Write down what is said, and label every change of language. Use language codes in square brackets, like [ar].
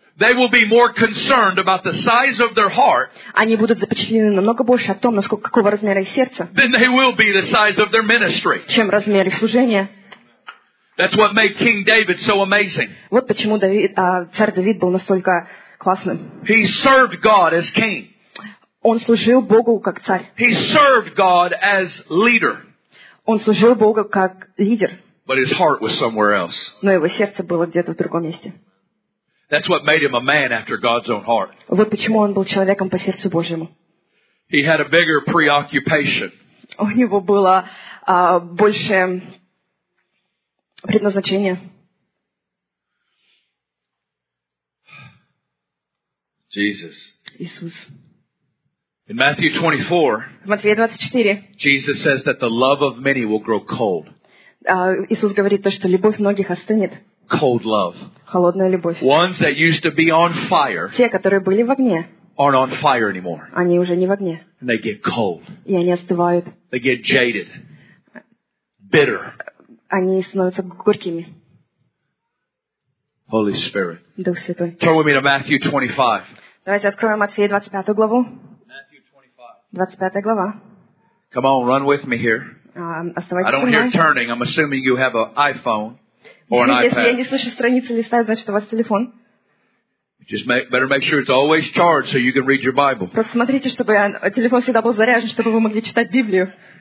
[en] they will be more concerned about the size of their heart. [ru] Они будут запечатлены намного больше о том, насколько какого размера их сердце. [en] Than they will be the size of their ministry. [ru] Чем размер их служения. [en] That's what made King David so amazing. [ru] Вот почему царь Давид был настолько классным. [en] He served God as king. [ru] Он служил Богу как царь. [en] He served God as leader. [ru] Он служил Богу как лидер. [en] But his heart was somewhere else. [ru] Но его сердце было где-то в другом месте. [en] That's what made him a man after God's own heart. [ru] Вот почему он был человеком по сердцу Божьему. [en] He had a bigger preoccupation. [ru] У него было больше предназначение. [en] Jesus. [ru] Иисус. [en] In Matthew 24. [ru] Матфея 24. [en] Jesus says that the love of many will grow cold. [ru] Иисус говорит то, что любовь многих остынет. [en] Cold love. [ru] Холодная любовь. [en] Ones that used to be on fire. [ru] Те, которые были в огне. [en] Aren't on fire anymore. [ru] Они уже не в огне. [en] And they get cold. [ru] И они остывают. [en] They get jaded. Bitter. [ru] Они становятся горькими. [en] Holy Spirit. [ru] Дух Святой. [en] Turn with me to Matthew 25. [ru] Давайте откроем Матфея 25 главу. [en] Matthew 25. Come on, run with me here. [ru] Оставайтесь [en] I don't hear turning. I'm assuming you have an iPhone or an iPad. [ru] Если я не слышу страницы листаю, значит у вас телефон. [en] Just better make sure it's always charged so you can read your Bible. [ru] Просто смотрите, чтобы телефон всегда был заряжен, чтобы вы могли читать Библию.